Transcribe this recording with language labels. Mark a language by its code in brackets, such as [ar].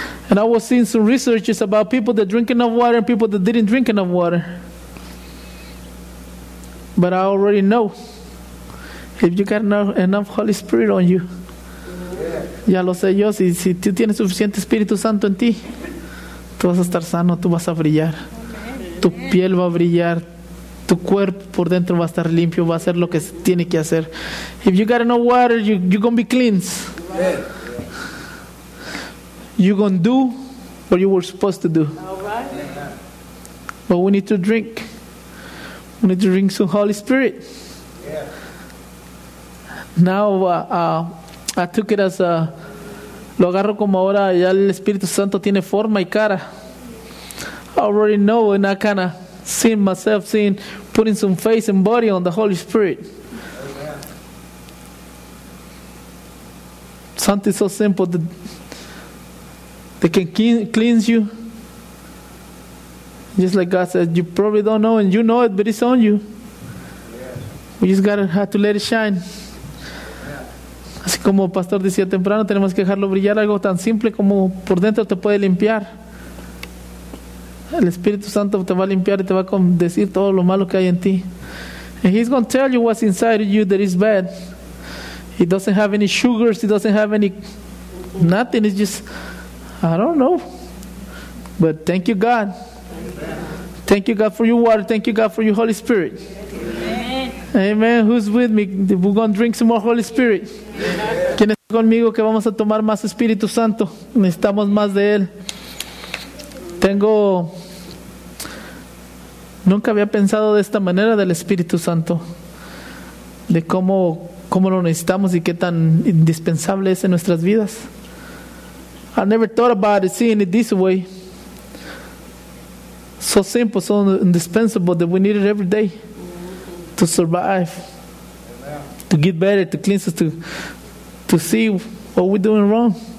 [en] And I was seeing some researches about people that drink enough water and people that didn't drink enough water. But I already know, if you got enough Holy Spirit on you, yeah. [es] Ya lo sé yo, si tú tienes suficiente Espíritu Santo en ti, tú vas a estar sano, tú vas a brillar. [en] Amen. [es] Tu piel va a brillar, tu cuerpo por dentro va a estar limpio, va a hacer lo que tiene que hacer. [en] If you got enough water, you're going to be cleansed. Yeah. You're going to do what you were supposed to do. All right. But we need to drink. We need to drink some Holy Spirit. Yeah. Now, I took it as a... [es] Lo agarro como ahora ya el Espíritu Santo tiene forma y cara. [en] I already know and I kind of seen myself seeing putting some face and body on the Holy Spirit. Amen. Something so simple that... They can cleanse you. Just like God said, you probably don't know and you know it, but it's on you. Yeah. We just gotta have to let it shine. Yeah. [es] Así como el pastor decía temprano, tenemos que dejarlo brillar, algo tan simple como por dentro te puede limpiar. El Espíritu Santo te va a limpiar y te va a decir todo lo malo que hay en ti. [en] And he's going to tell you what's inside of you that is bad. It doesn't have any sugars, it doesn't have any nothing. It's just, I don't know. But thank you, God. Amen. Thank you, God, for your water. Thank you, God, for your Holy Spirit. Amen. Amen. Who's with me? We're going to drink some more Holy Spirit. Amen. [es] ¿Quién está conmigo que vamos a tomar más Espíritu Santo? Necesitamos más de Él. Tengo... Nunca había pensado de esta manera del Espíritu Santo. De cómo lo necesitamos y qué tan indispensable es en nuestras vidas. [en] I never thought about it, seeing it this way. So simple, so indispensable that we need it every day to survive, to get better, to cleanse us, to see what we're doing wrong.